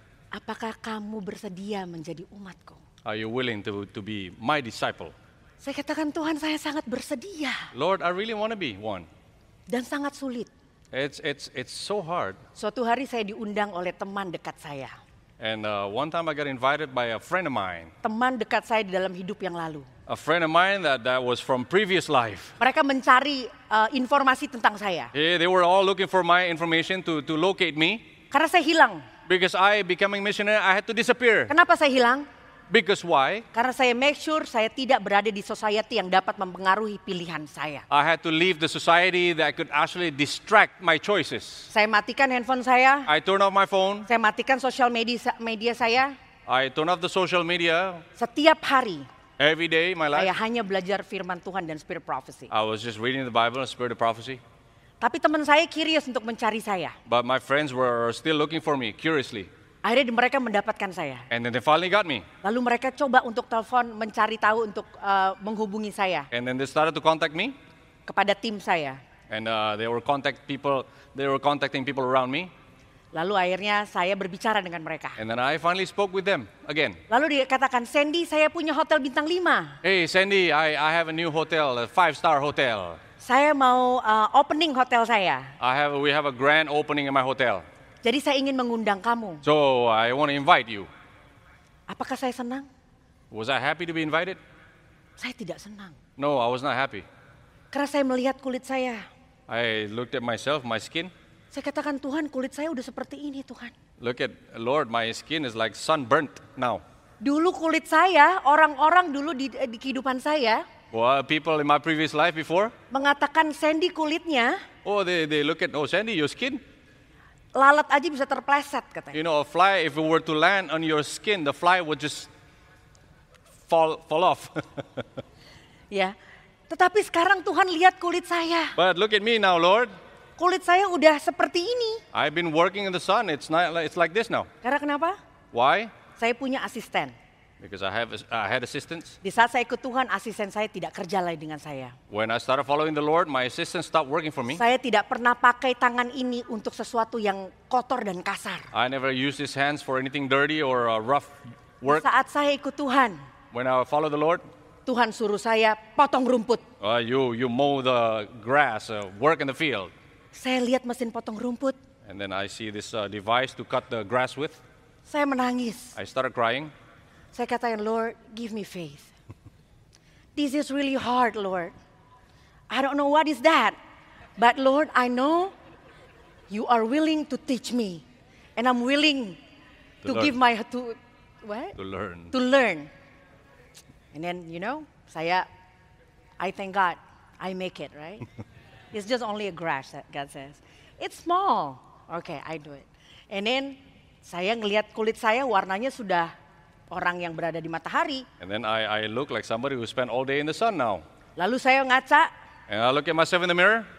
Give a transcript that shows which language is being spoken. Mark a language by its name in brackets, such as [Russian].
[Indonesian] Apakah kamu bersedia menjadi umatku? [English] Are you willing to be my disciple? [Indonesian] Saya katakan Tuhan, saya sangat bersedia. [English] Lord, I really want to be one. [Indonesian] Dan sangat sulit. [English] It's so hard. [Indonesian] Suatu hari saya diundang oleh teman dekat saya. [English] And one time I got invited by a friend of mine. [Indonesian] Teman dekat saya di dalam hidup yang lalu. [English] A friend of mine that was from previous life. [Indonesian] Mereka mencari informasi tentang saya. [English] Yeah, they were all looking for my information to locate me. [Indonesian] Karena saya hilang. [English] Because I becoming missionary, I had to disappear. [Indonesian] Kenapa saya hilang? [English] Because why? [Indonesian] Karena saya [English] make sure [Indonesian] saya tidak berada di society yang dapat mempengaruhi pilihan saya. [English] I had to leave the society that could actually distract my choices. [Indonesian] Saya matikan handphone saya. [English] I turn off my phone. [Indonesian] Saya matikan social media saya. [English] I turn off the social media. [Indonesian] Setiap hari. [English] Every day my life. [Indonesian] Saya hanya belajar firman Tuhan dan spirit prophecy. [English] I was just reading the Bible and spirit of prophecy. [Indonesian] Tapi teman saya curious untuk mencari saya. [English] But my friends were still looking for me curiously. [Indonesian] Akhirnya mereka mendapatkan saya. [English] And then they finally got me. [Indonesian] Lalu mereka coba untuk telepon mencari tahu untuk menghubungi saya. [English] And then they started to contact me. [Indonesian] Kepada tim saya. [English] And they were contacting people around me. [Indonesian] Lalu akhirnya saya berbicara dengan mereka. [English] And then I finally spoke with them again. [Indonesian] Lalu dikatakan, Shandy, saya punya hotel bintang 5. [English] Hey Shandy, I have a new hotel, a 5-star hotel. [Indonesian] Saya mau opening hotel saya. [English] We have a grand opening in my hotel. [Indonesian] Jadi saya ingin mengundang kamu. [English] So I want to invite you. [Indonesian] Apakah saya senang? [English] Was I happy to be invited? [Indonesian] Saya tidak senang. [English] No, I was not happy. [Indonesian] Karena saya melihat kulit saya. [English] I looked at myself, my skin. [Indonesian] Saya katakan, Tuhan, kulit saya udah seperti ini, Tuhan. [English] Look at Lord, my skin is like sunburnt now. [Indonesian] Dulu kulit saya, orang-orang dulu di kehidupan saya. [English] Well, people in my previous life before. [Indonesian] Mengatakan Shandy kulitnya. [English] Oh, they look at, oh Shandy, your skin. [Indonesian] Lalat aja bisa terpleset, katanya. [English] You know, a fly, if it were to land on your skin, the fly would just fall off. [Indonesian] Ya, tetapi sekarang Tuhan lihat kulit saya. [English] But look at me now, Lord. [Indonesian] Kulit saya udah seperti ini. [English] I've been working in the sun. It's like this now. [Indonesian] Karena kenapa? [English] Why? [Indonesian] Saya punya asisten. [English] Because I had assistants. [Indonesian] Di saat saya ikut Tuhan, asisten saya tidak kerja lagi dengan saya. [English] When I started following the Lord, my assistant stopped working for me. [Indonesian] Saya tidak pernah pakai tangan ini untuk sesuatu yang kotor dan kasar. [English] I never used his hands for anything dirty or rough work. [Indonesian] Di saat saya ikut Tuhan. [English] When I follow the Lord. [Indonesian] Tuhan suruh saya potong rumput. [English] You mow the grass, work in the field. [Indonesian] Saya lihat mesin potong rumput. [English] And then I see this device to cut the grass with. [Indonesian] Saya menangis. [English] I started crying. [Indonesian] Saya katakan, [English] Lord, give me faith. This is really hard, Lord. I don't know what is that. But Lord, I know you are willing to teach me. And I'm willing to give my... To learn. And then, you know, saya... I thank God I make it, right? It's just only a grass, that God says. It's small. Okay, I do it. And then, [Indonesian] saya ngelihat kulit saya warnanya sudah orang yang berada di matahari. [English] And then I look like somebody who spent all day in the sun now. [Indonesian] Lalu saya ngaca. [English] And I look at myself in the mirror.